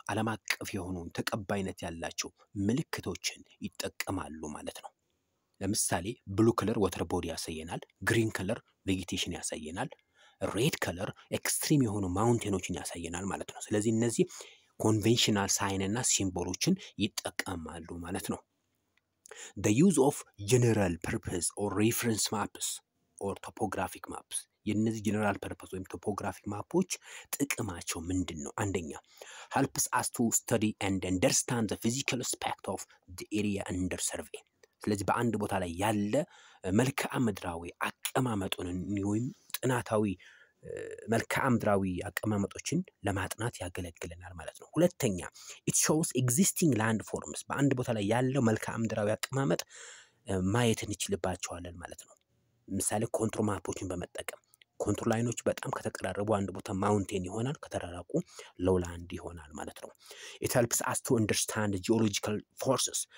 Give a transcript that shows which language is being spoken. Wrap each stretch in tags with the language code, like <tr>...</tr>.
<am>አለም አቀፍ የሆኑን ተቀባይነት ያላቸው ምልክቶችን ይጠቀማሉ ማለት ነው። ለምሳሌ ብሉ ከለር ወተር ቦዲ ያሳየናል፣ ግሪን ከለር ቬጂቴሽን ያሳየናል፣ ሬድ ከለር ኤክስትሪም የሆኑ ማውንቴኖችን ያሳየናል ማለት ነው። ስለዚህ እነዚህ conventional sign እና symbolsን ይጠቀማሉ ማለት ነው።</am> <en>The use of general purpose or reference maps or topographic maps.</en> <am>የነዚህ general purpose ወይም topographic maps ጥቅማቸው ምንድነው?</am> <en>አንደኛ helps us to study and understand the physical aspect of the area under survey.</en> <am>ስለዚህ በአንድ ቦታ ላይ ያለ መልክዓ ምድራዊ አቀማመጡን ወይም ጥናታዊ መልክዓ ምድራዊ አቀማመጦችን ለማጥናት ያገለግለናል ማለት ነው። ሁለተኛ</am> <en>it shows existing landforms.</en> <am>በአንድ ቦታ ላይ ያለው መልክዓ ምድራዊ አቀማመጥ ማየትን ይችላልባቸዋል ማለት ነው። ምሳሌ ኮንትሮል ማፖችን በመጠቀም ኮንትሮል ላይኖች በጣም ከተቀራረቡ አንድ ቦታ ማውንቴን ይሆናል፣ ከተራራቁ ሎላንድ ይሆናል ማለት ነው።</am> <en>it helps us to understand geological forces.</en>